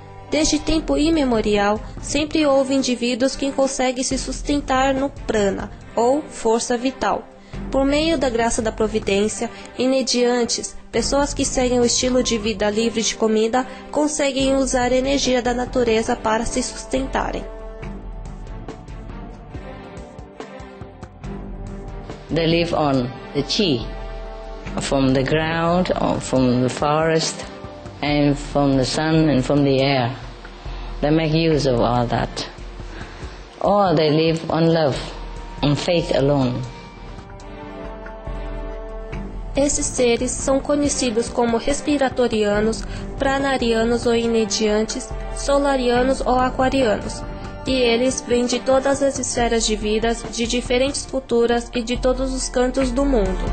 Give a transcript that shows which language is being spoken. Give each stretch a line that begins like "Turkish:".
Portuguese: Desde tempo imemorial, sempre houve indivíduos que conseguem se sustentar no prana, ou força vital. Por meio da graça da providência, inediantes, pessoas que seguem o estilo de vida livre de comida, conseguem usar a energia da natureza para se sustentarem.
English: They live on the chi, from the ground, or from the forest, and from the sun and from the air. They make use of all that. Or they live on love, on faith alone.
Portuguese: Esses seres são conhecidos como respiratorianos, pranarianos ou inediantes, solarianos ou aquarianos. E eles vêm de todas as esferas de vidas, de diferentes culturas e de todos os cantos do mundo.